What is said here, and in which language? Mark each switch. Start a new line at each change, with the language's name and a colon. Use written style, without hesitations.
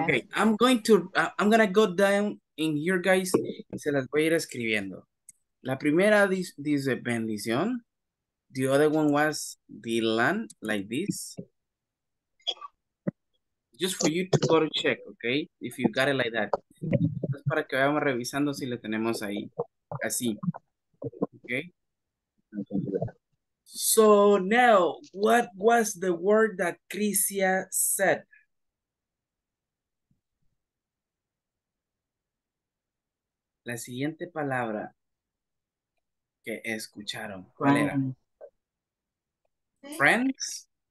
English: Okay, I'm gonna go down in here, guys.
Spanish: Se las voy a ir escribiendo. La primera dice bendición.
English: The other one was Dylan, like this. Just for you to go to check, okay? If you got it like that.
Spanish: Es para que vayamos revisando si le tenemos ahí. Así. Okay?
English: So now, what was the word that Crisia said?
Spanish: La siguiente palabra que escucharon, ¿cuál era? Friends.